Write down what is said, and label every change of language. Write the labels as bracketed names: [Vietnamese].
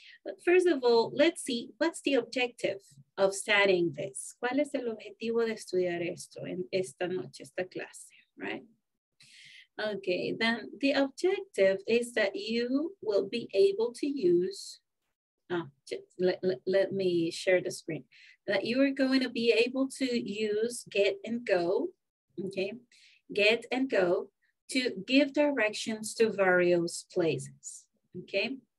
[English] But first of all, let's see, what's the objective of studying this? [Spanish] ¿Cuál es el objetivo de estudiar esto en esta noche, esta clase, right? [English] Okay, then the objective is that you will be able to use, let me share the screen. That you are going to be able to use get and go, okay? Get and go to give directions to various places, okay?